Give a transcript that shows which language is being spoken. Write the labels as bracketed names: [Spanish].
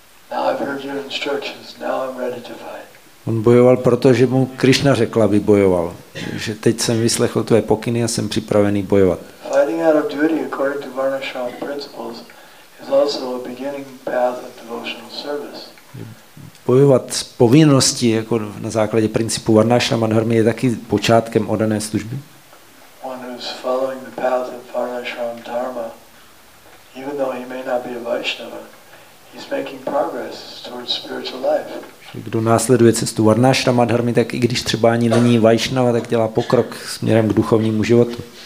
[English] Now I've heard your instructions, now I'm ready to fight. [Czech] On bojoval proto, že mu Krishna řekla, aby bojoval. Že teď jsem vyslechl tvé pokyny a jsem připravený bojovat. [English] Fighting out of duty according to Varnashram principles is also a beginning path of devotional service. [Czech] Bojovat z povinnosti jako na základě principu Varnashrama dharmy je taky počátkem oddané služby. [English] One who is following the path of Varnashram dharma, even though he may not be a Vaishnava, he's making progress towards spiritual life. [Czech] Kdo následuje cestu Varnashrama dharmy, tak i když třeba ani není Vaishnava, tak dělá pokrok směrem k duchovnímu životu.